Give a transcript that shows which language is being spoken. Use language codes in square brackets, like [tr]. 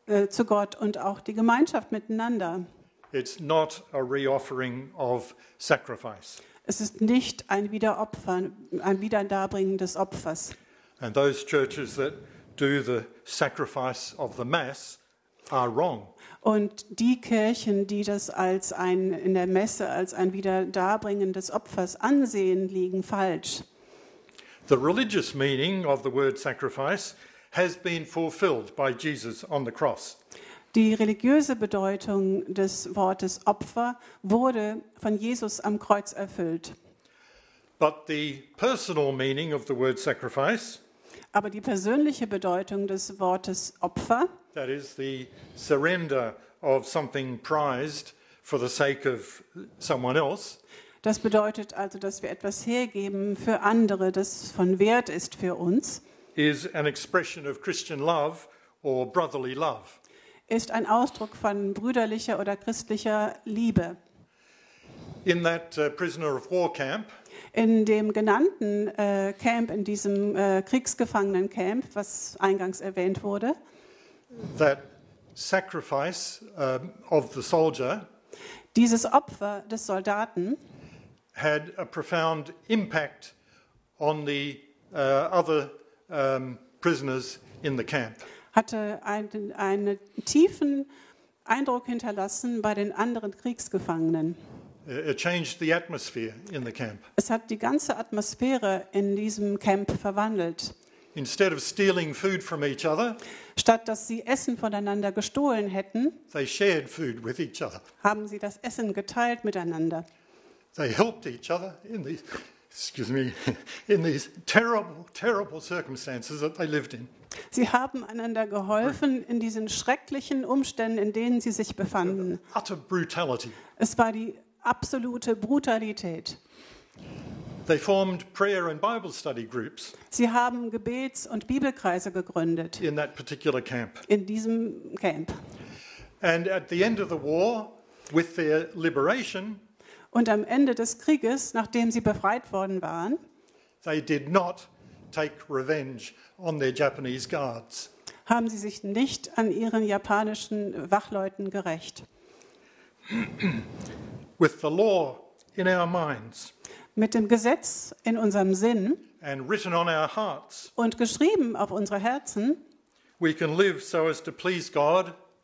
[de] Zu Gott und auch die Gemeinschaft miteinander. [en] It's not a reoffering of sacrifice. [de] Es ist nicht ein Wiederopfern, ein Wiederdarbringen des Opfers. [en] And those churches that do the sacrifice of the mass are wrong. [de] Und die Kirchen, die das als ein in der Messe als ein Wiederdarbringen des Opfers ansehen, liegen falsch. [en] The religious meaning of the word sacrifice has been fulfilled by Jesus on the cross. [de] Die religiöse Bedeutung des Wortes Opfer wurde von Jesus am Kreuz erfüllt. [en] But the personal meaning of the word sacrifice, [de] aber die persönliche Bedeutung des Wortes Opfer, [en] that is the surrender of something prized for the sake of someone else, [de] das bedeutet also, dass wir etwas hergeben für andere, das von Wert ist für uns, [en] is an expression of Christian love or brotherly love. [de] Ist ein Ausdruck von brüderlicher oder christlicher Liebe. [en] In that prisoner of war camp, [de] in dem genannten Camp, in diesem Kriegsgefangenencamp, was eingangs erwähnt wurde, [en] that sacrifice of the soldier, [de] dieses Opfer des Soldaten, [en] had a profound impact on the other prisoners in the camp. [de] Hatte einen tiefen Eindruck hinterlassen bei den anderen Kriegsgefangenen. [en] It changed the atmosphere in the camp. [de] Es hat die ganze Atmosphäre in diesem Camp verwandelt. [en] Instead of stealing food from each other, [de] statt dass sie Essen voneinander gestohlen hätten, [en] they shared food with each other. [de] Haben sie das Essen geteilt miteinander. [en] They helped each other in these, excuse me, in these terrible, terrible circumstances that they lived in. [de] Sie haben einander geholfen in diesen schrecklichen Umständen, in denen sie sich befanden. [en] Utter brutality. [de] Es war die absolute Brutalität. [en] They formed prayer and Bible study groups. [de] Sie haben Gebets- und Bibelkreise gegründet. [en] In that particular camp. [de] In diesem Camp. [en] And at the end of the war, with their liberation, [de] und am Ende des Krieges, nachdem sie befreit worden waren, [en] they did not take revenge on their Japanese guards. [de] Haben sie sich nicht an ihren japanischen Wachleuten gerecht. [en] With the law in our minds, [de] mit dem Gesetz in unserem Sinn, [en] and written on our hearts, [de] und geschrieben auf unsere Herzen, [en] we can live so as to please God,